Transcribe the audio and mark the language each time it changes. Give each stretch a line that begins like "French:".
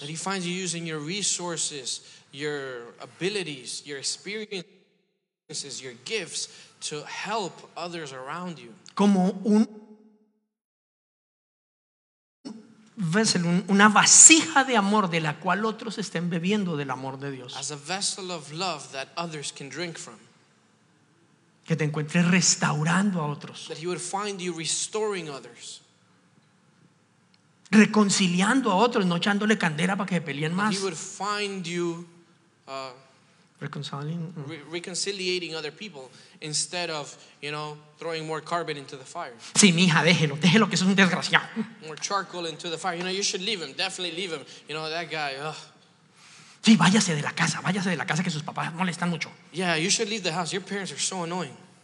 English: That he finds you using your resources, your abilities, your experience. This is your gifts to help others around you.
Spanish: Como un vessel, una vasija de amor de la cual otros estén bebiendo del amor de Dios.
English: As a vessel of love that others can drink from.
Spanish: Que te encuentres restaurando a otros.
English: That he would find you restoring others.
Spanish: Reconciliando a otros, no echándole candela para que se peleen más.
English: That he would find you reconciliating other people instead of, you know, throwing more carbon into the fire.
Spanish: Sí, mija, déjelo, déjelo, que es un desgraciado.
English: More charcoal into the fire. You know, you should leave him. Definitely leave him. You know, that guy. Ugh.
Spanish: Sí, váyase de la casa, que sus papás molestan mucho.
English: Yeah, you should leave the house. Your parents are so annoying.